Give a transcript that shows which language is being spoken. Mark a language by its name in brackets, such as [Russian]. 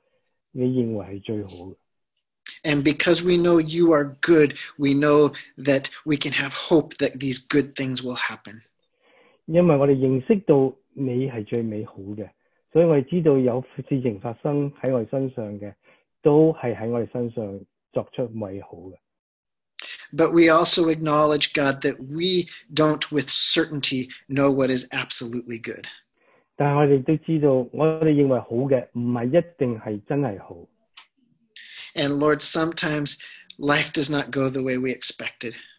[Chinese] 神啊，我们真的要相信你教导我们什么是这个世界当中你认为是最好的。 [English] And because we know you are good, we know that we can have hope that these good things will happen. [Chinese] 因为我们认识到你是最美好的。所以我们知道有事情发生在我们身上的，都是在我们身上作出美好的。But [English] we also acknowledge, God, that we don't with certainty know what is absolutely good. [Chinese] 但我们都知道，我们认为好的，不是一定是真是好。And [English] Lord, sometimes life does not go the way we expected.